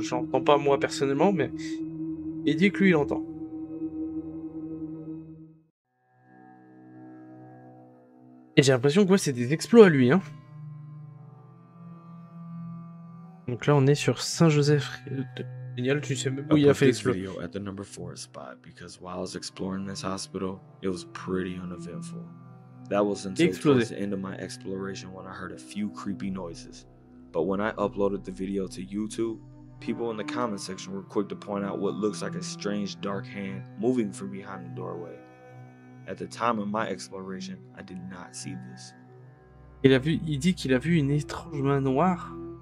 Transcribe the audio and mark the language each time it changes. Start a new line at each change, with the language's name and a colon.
French: J'entends pas moi personnellement, mais il dit que lui il entend. Et j'ai l'impression que ouais, c'est des exploits à lui hein. Donc là on est sur Saint-Joseph. Génial, tu sais même où il a fait l'exploit.
English: Video at the number 4 spot because while I was exploring this hospital, it was pretty uneventful. That was until Explosive. Towards the end of my exploration when I heard a few creepy noises. But when I uploaded the video to YouTube, people in the comment section were quick to point out what looks like a strange dark hand moving from behind the doorway. At the time of my exploration, I did not see this.
French: Il dit qu'il a vu une étrange main noire.